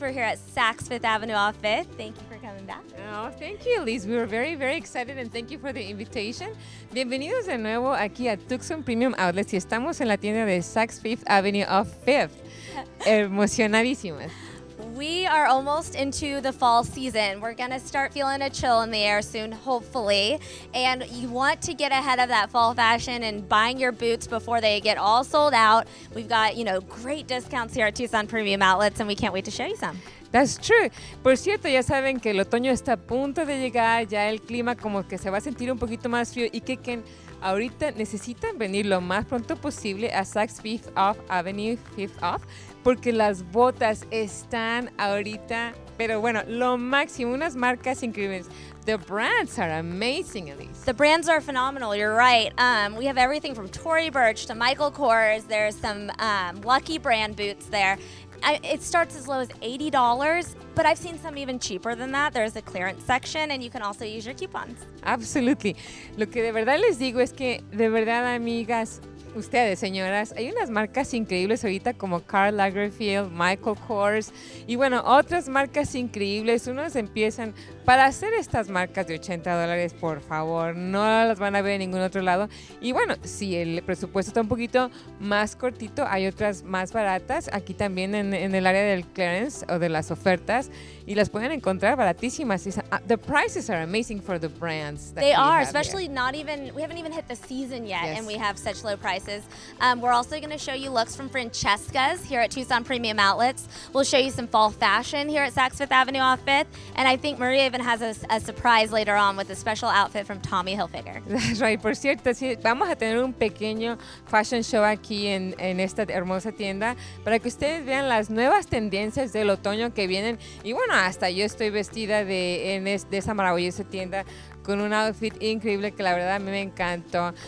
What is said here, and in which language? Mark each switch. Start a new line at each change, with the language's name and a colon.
English: We're here at Saks Fifth Avenue off Fifth. Thank you for coming back. Oh, thank you, Liz. We were very, very excited, and thank you for the invitation.
Spanish: Bienvenidos de nuevo aquí a Tucson Premium Outlets, y estamos en la tienda de Saks Fifth Avenue off Fifth. Emocionadísimas.
English: We are almost into the fall season. We're going to start feeling a chill in the air soon, hopefully. And you want to get ahead of that fall fashion and buying your boots before they get all sold out. We've got, you know, great discounts here at Tucson Premium Outlets, and we can't wait to show you some. That's true.
Spanish: Por cierto, ya saben que el otoño está a punto de llegar, ya el clima como que se va a sentir un poquito más frío, y que ahorita necesitan venir lo más pronto posible a Saks Fifth Avenue, Fifth Off, porque las botas están ahorita, pero bueno, lo máximo, unas marcas increíbles.
English: The brands are amazing, Elise. The brands are phenomenal, you're right. We have everything from Tory Burch to Michael Kors. There's some Lucky Brand boots there. It starts as low as $80, but I've seen some even cheaper than that. There's a clearance section, and you can also use your coupons. Absolutely.
Spanish: Lo que de verdad les digo es que, de verdad, amigas, ustedes, señoras, hay unas marcas increíbles ahorita como Karl Lagerfeld, Michael Kors, y bueno, otras marcas increíbles. Unos empiezan para hacer estas marcas de $80, por favor, no las van a ver en ningún otro lado. Y bueno, si el presupuesto está un poquito más cortito, hay otras más baratas aquí también en el área del clearance o de las ofertas, y las pueden encontrar baratísimas.
English: The prices are amazing for the brands. They are, especially here. Not even, we haven't even hit the season yet, yes. And we have such low prices. We're also going to show you looks from Francesca's here at Tucson Premium Outlets. We'll show you some fall fashion here at Saks Fifth Avenue off Fifth, and I think Maria even has a surprise later on with a special outfit from Tommy Hilfiger. That's right.
Spanish: Por cierto, sí, vamos a tener un pequeño fashion show aquí en esta hermosa tienda para que ustedes vean las nuevas tendencias del otoño que vienen. Y bueno, hasta yo estoy vestida de esa maravillosa tienda con un outfit increíble que la verdad a mí me encantó.